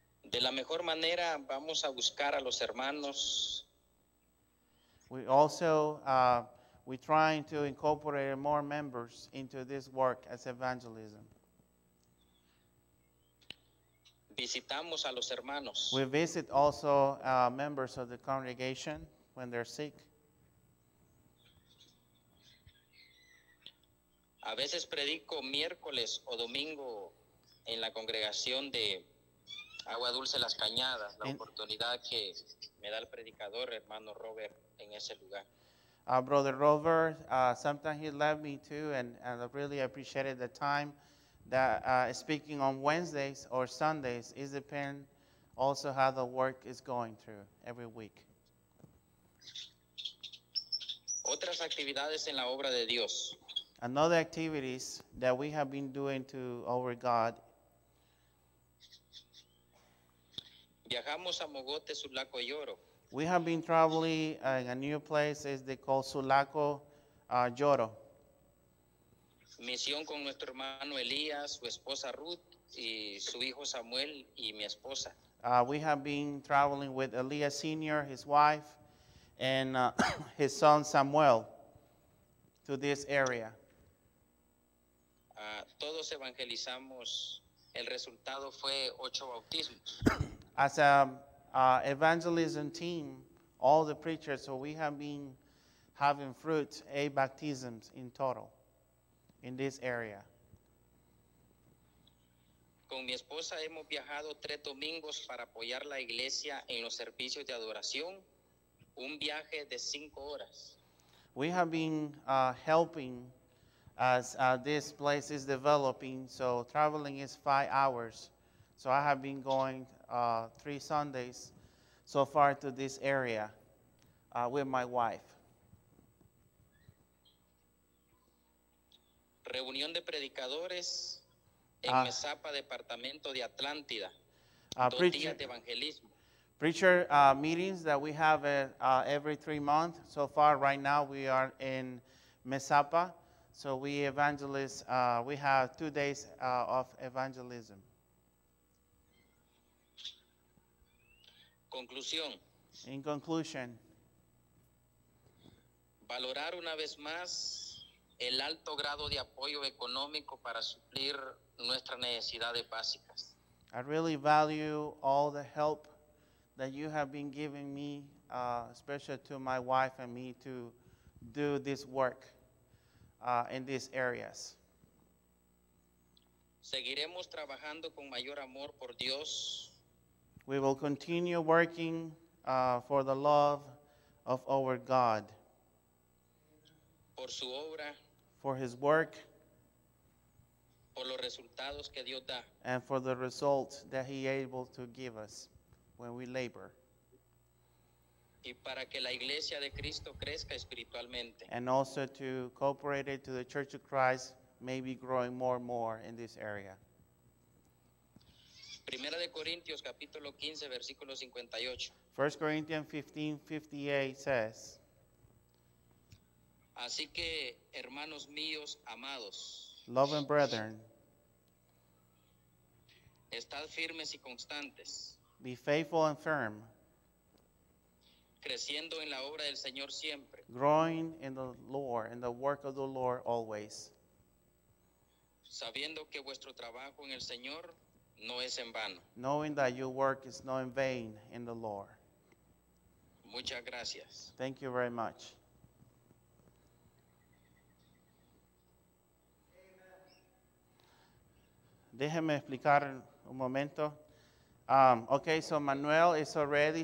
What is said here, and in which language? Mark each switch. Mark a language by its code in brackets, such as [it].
[es] De la mejor manera, vamos a buscar a los hermanos. [en] We also, we're trying to incorporate more members into this work as evangelism. [es] Visitamos a los hermanos. [en] We visit also members of the congregation when they're sick. [es] A veces predico miércoles o domingo en la congregación de Agua Dulce Las Cañadas, la oportunidad que me da el predicador, hermano Robert, en ese lugar. [en] Brother Robert, sometimes he left me too, and I really appreciated the time that speaking on Wednesdays or Sundays. It depends also how the work is going through every week. [es] Otras actividades en la obra de Dios. [en] Another activities that we have been doing to our God. [es] Viajamos a Mogote, Sulaco y Oro. [en] We have been traveling in a new place. It's called Sulaco Yoro. [es] Misión con nuestro hermano Elías, su esposa Ruth, y su hijo Samuel, y mi esposa. [en] We have been traveling with Elías Sr., his wife, and his son Samuel to this area. [es] Todos evangelizamos. El resultado fue 8 bautismos. [en] As a evangelism team, all the preachers, so we have been having fruit, 8 baptisms in total in this area. [es] Con mi esposa hemos viajado 3 domingos para apoyar la iglesia en los servicios de adoración, un viaje de 5 horas. [en] We have been helping as this place is developing, so traveling is 5 hours. So I have been going 3 Sundays so far to this area with my wife. [es] Reunión de predicadores en Mesapa, departamento de Atlántida. Días de evangelismo. [en] Preacher meetings that we have every 3 months. So far, right now, we are in Mesapa. So we evangelists, we have 2 days of evangelism. [es] Conclusión. [en] In conclusion, [es] valorar una vez más el alto grado de apoyo económico para suplir nuestras necesidades básicas. [en] I really value all the help that you have been giving me, especially to my wife and me, to do this work in these areas. [es] Seguiremos trabajando con mayor amor por Dios. [en] We will continue working for the love of our God. [es] Por su obra. [en] For his work. [es] Por los resultados que Dios da. [en] And for the results that he is able to give us when we labor. [es] Y para que la iglesia de Cristo crezca espiritualmente. [en] And also to cooperate it to the Church of Christ, maybe growing more and more in this area. [es] Primera de Corintios, capítulo 15, versículo 58. [en] 1 Corinthians 15, 58 says, [es] así que, hermanos míos, amados, [en] love and brethren, [es] estad firmes y constantes, [en] be faithful and firm, [es] creciendo en la obra del Señor siempre, [en] growing in the Lord, in the work of the Lord always, [es] sabiendo que vuestro trabajo en el Señor no es en vano. [en] Knowing that your work is not in vain in the Lord. [es] Muchas gracias. [en] Thank you very much. Amen. [es] Déjeme explicar un momento. [en] Okay, so Manuel is already.